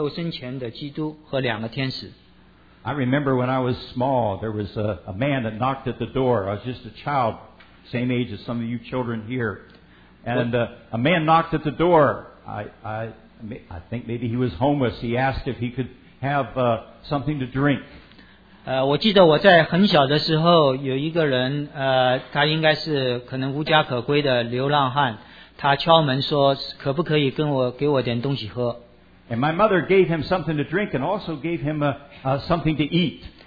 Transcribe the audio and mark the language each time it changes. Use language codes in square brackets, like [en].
[zh] 亚伯拉罕接待客旅，就不知不觉地接待了耶和华的使者，这是那是道成肉身前的基督和两个天使。 [en] I remember when I was small, there was a man that knocked at the door. I was just a child, same age as some of you children here. And a man knocked at the door. I think maybe he was homeless. He asked if he could have something to drink. [zh] 我记得我在很小的时候，有一个人，他应该是可能无家可归的流浪汉，他敲门说，可不可以给我点东西喝？ [en] And my mother gave him something to drink and also gave him something to eat.